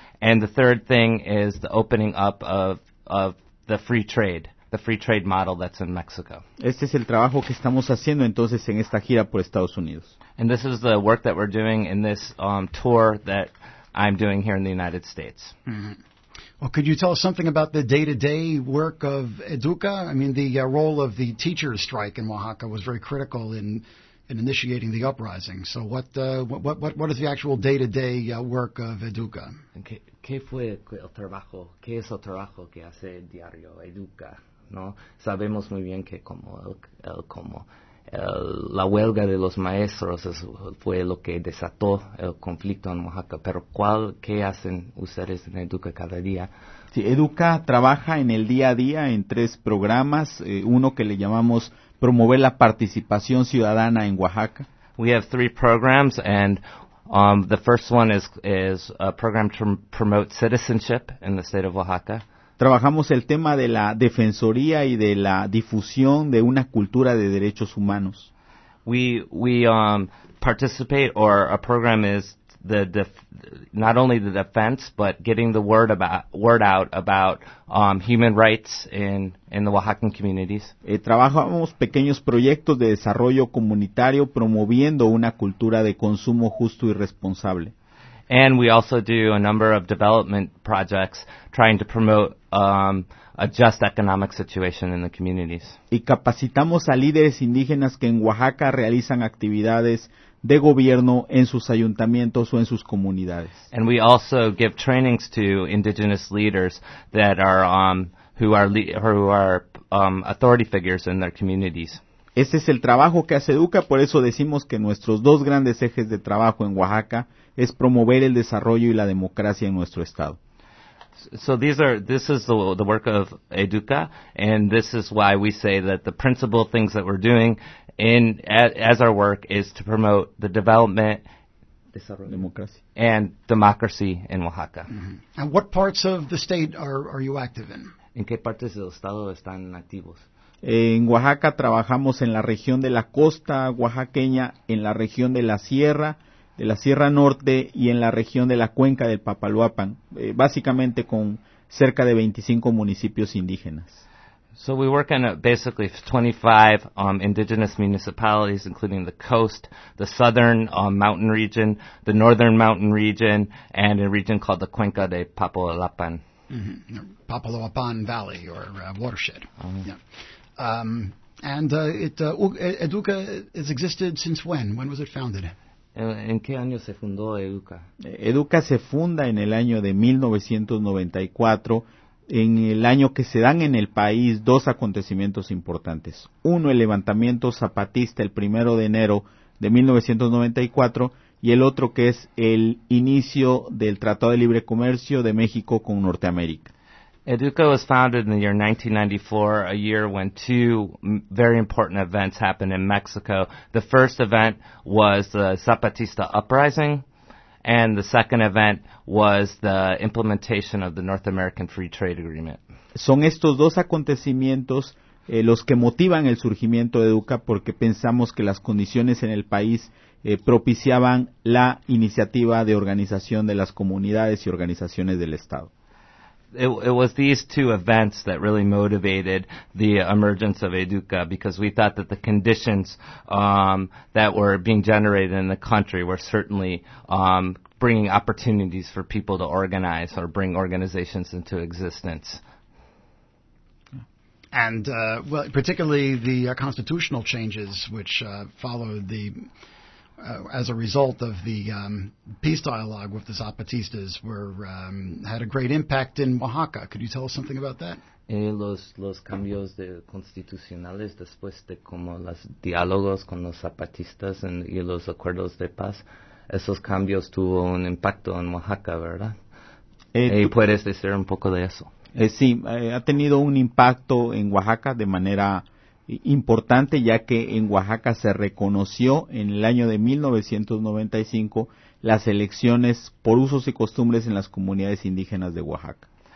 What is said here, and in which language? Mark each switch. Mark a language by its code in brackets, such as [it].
[en] And the third thing is the opening up of the free trade model that's in Mexico. [es] Este es el trabajo que estamos haciendo entonces en esta gira por Estados Unidos. [en] And this is the work that we're doing in this tour that I'm doing here in the United States. Mm-hmm. Well, could you tell us something about the day-to-day work of Educa? I mean, the role of the teachers' strike in Oaxaca was very critical in initiating the uprising. So what is the actual day-to-day work of Educa? [es] ¿Qué fue el trabajo? ¿Qué es el trabajo que hace el diario Educa? ¿No? Sabemos muy bien que la huelga de los maestros fue lo que desató el conflicto en Oaxaca. Pero ¿qué hacen ustedes en Educa cada día? Sí, Educa trabaja en el día a día en tres programas. Uno que le llamamos Promover la Participación Ciudadana en Oaxaca. [en] We have three programs, and the first one is a program to promote citizenship in the state of Oaxaca. [es] Trabajamos el tema de la defensoría y de la difusión de una cultura de derechos humanos. [en] We participate, or a program is not only the defense, but getting the word out about human rights in the Oaxacan communities. [es] Trabajamos pequeños proyectos de desarrollo comunitario promoviendo una cultura de consumo justo y responsable. [en] And we also do a number of development projects trying to promote a just economic situation in the communities. [es] Y capacitamos a líderes indígenas que en Oaxaca realizan actividades de gobierno en sus ayuntamientos o en sus comunidades. [en] And we also give trainings to indigenous leaders that are who are authority figures in their communities. [es] Este es el trabajo que hace Educa, por eso decimos que nuestros dos grandes ejes de trabajo en Oaxaca es promover el desarrollo y la democracia en nuestro estado. [en] So this is the work of Educa, and this is why we say that the principal things that we're doing as our work is to promote the development, [es] desarrollo, democracia, [en] and democracy in Oaxaca. Mm-hmm. And what parts of the state are you active in? [es] ¿En qué partes del estado están activos? En Oaxaca trabajamos en la región de la costa oaxaqueña, en la región de la Sierra Norte y en la región de la cuenca del Papaloapan, básicamente con cerca de 25 municipios indígenas. [en] So we work in basically 25 indigenous municipalities, including the coast, the southern mountain region, the northern mountain region, and a region called the Cuenca de Papaloapan. Mm-hmm. Papaloapan Valley, or watershed. Educa has existed since when? When was it founded? [es] ¿En qué año se fundó Educa? Educa se funda en el año de 1994, en el año que se dan en el país dos acontecimientos importantes. Uno, el levantamiento zapatista el primero de enero de 1994, y el otro que es el inicio del Tratado de Libre Comercio de México con Norteamérica. [en] Educa was founded in the year 1994, a year when two very important events happened in Mexico. The first event was the Zapatista uprising, and the second event was the implementation of the North American Free Trade Agreement. [es] Son estos dos acontecimientos los que motivan el surgimiento de Educa, porque pensamos que las condiciones en el país propiciaban la iniciativa de organización de las comunidades y organizaciones del Estado. [en] It was these two events that really motivated the emergence of Educa, because we thought that the conditions that were being generated in the country were certainly bringing opportunities for people to organize or bring organizations into existence. And particularly the constitutional changes which followed the... as a result of the peace dialogue with the Zapatistas, had a great impact in Oaxaca. Could you tell us something about that? [es] Los cambios de constitucionales después de como los diálogos con los Zapatistas y los acuerdos de paz, esos cambios tuvo un impacto en Oaxaca, ¿verdad? ¿Puedes decir un poco de eso? Ha tenido un impacto en Oaxaca de manera importante, ya que en Oaxaca se reconoció en el año de 1995 las elecciones por usos y costumbres en las comunidades indígenas de Oaxaca.